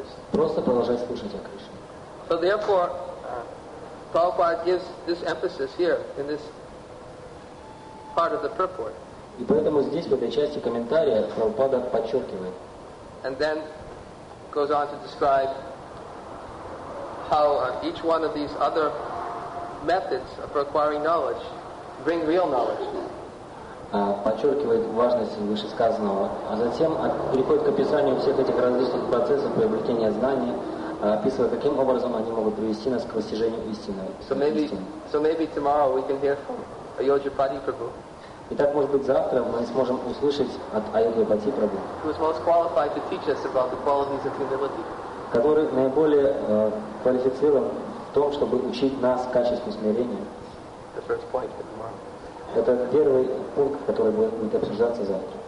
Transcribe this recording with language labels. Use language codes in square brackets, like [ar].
[ru] Просто продолжать слушать о Кришне. [en] So therefore, Prabhupada gives this emphasis here in this part of the purport. [ru] И поэтому здесь в этой части комментария Прабхупада подчеркивает. [en] And then goes on to describe how each one of these other methods for acquiring knowledge bring real knowledge. [ru] Подчеркивает важность вышесказанного, а затем переходит к описанию всех этих различных процессов приобретения знаний, описывая, каким образом они могут привести нас к достижению истины. [en] So maybe tomorrow we can hear from Ayodhyapati Prabhu. [ru] Итак, может быть, завтра мы сможем услышать от Айодхипати Прабху, [en] who is most qualified to teach us about the qualities of humility. [ru] Который наиболее квалифицирован в том, чтобы учить нас качеству смирения. [en] The first point for tomorrow. [ru] Это первый пункт, который будет обсуждаться завтра.